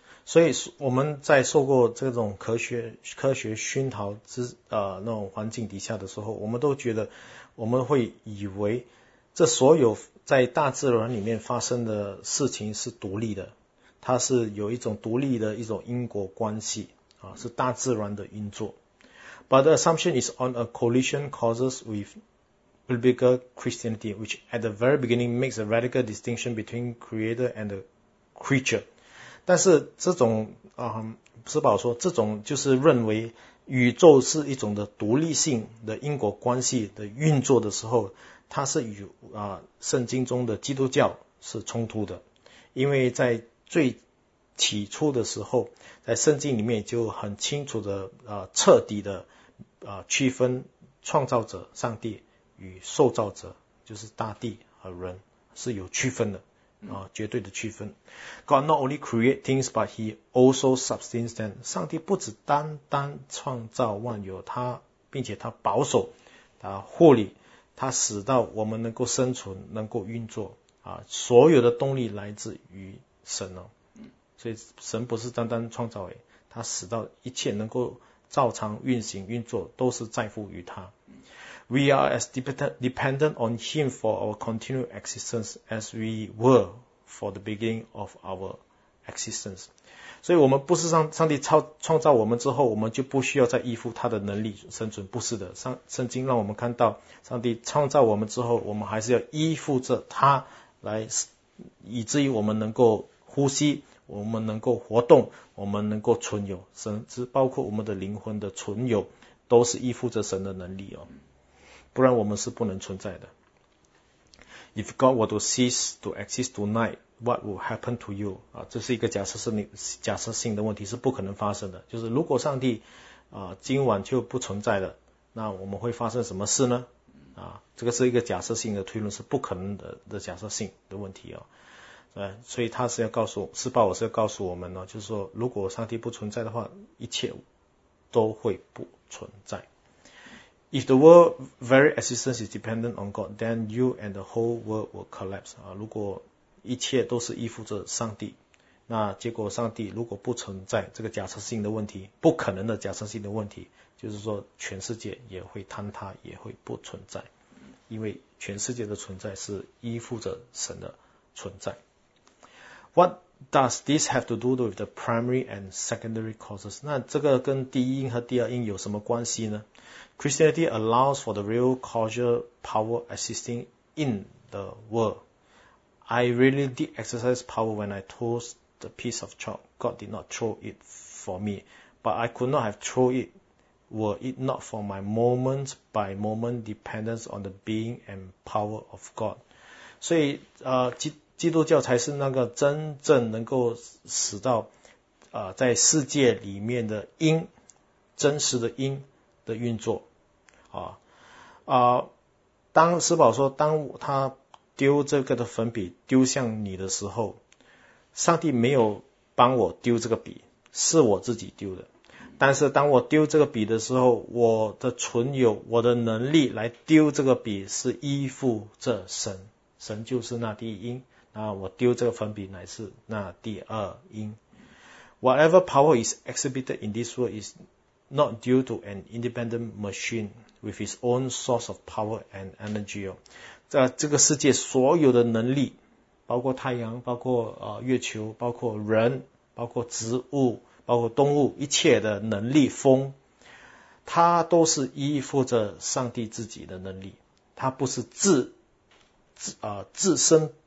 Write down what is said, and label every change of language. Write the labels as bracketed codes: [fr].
[zh] 所以我们在受过这种科学熏陶之那种环境底下的时候，我们都觉得我们会以为这所有在大自然里面发生的事情是独立的，它是有一种独立的一种因果关系啊，是大自然的运作。 [en] But the assumption is on a collision causes with biblical Christianity, which at the very beginning makes a radical distinction between creator and the creature. [zh] 但是这种啊，施宝说这种就是认为宇宙是一种的独立性的因果关系的运作的时候，它是与圣经中的基督教是冲突的，因为在最起初的时候，在圣经里面就很清楚的彻底的区分创造者上帝与受造者，就是大地和人是有区分的啊，绝对的区分。 [en] God not only create things, but he also sustains them. [zh] 上帝不只单单创造万有，他并且他保守、他护理，他使到我们能够生存、能够运作啊，所有的动力来自于神哦。所以神不是单单创造诶，他使到一切能够照常运行运作，都是在乎于他。 [en] We are as dependent on him for our continued existence as we were for the beginning of our existence. [zh] 所以我们不是上帝创造我们之后，我们就不需要再依附他的能力生存，不是的。圣经让我们看到，上帝创造我们之后，我们还是要依附着他来，以至于我们能够呼吸，我们能够活动，我们能够存有，甚至包括我们的灵魂的存有，都是依附着神的能力哦。不然我们是不能存在的。 [en] If God were to cease to exist tonight, what would happen to you? [zh] 啊，这是一个假设性的问题，是不可能发生的。就是如果上帝今晚就不存在了，那我们会发生什么事呢？啊，这个是一个假设性的推论，是不可能的假设性的问题哦。所以他是要告诉施暴，我是要告诉我们呢，就是说，如果上帝不存在的话，一切都会不存在。 [en] If the world very existence is dependent on God, then you and the whole world will collapse. [zh] 啊，如果一切都是依附着上帝，那结果上帝如果不存在，这个假设性的问题，不可能的假设性的问题，就是说全世界也会坍塌，也会不存在，因为全世界的存在是依附着神的存在。 [en] What does this have to do with the primary and secondary causes? [zh] 那这个跟第一因和第二因有什么关系呢？ [en] Christianity allows for the real causal power existing in the world. I really did exercise power when I tossed the piece of chalk. God did not throw it for me, but I could not have thrown it were it not for my moment by moment dependence on the being and power of God. [zh] 所以基督教才是那个真正能够使到在世界里面的因，真实的因的运作当施宝说当他丢这个的粉笔丢向你的时候，上帝没有帮我丢这个笔，是我自己丢的，但是当我丢这个笔的时候，我的存有我的能力来丢这个笔是依附着神，神就是那第一因，那我丢这个粉笔乃是那第二因。 [en] Whatever power is exhibited in this world is not due to an independent machine with its own source of power and energy. [zh] 在这个世界所有的能力，包括太阳，包括月球，包括人，包括植物，包括动物，一切的能力，风，它都是依附着上帝自己的能力，它不是自身。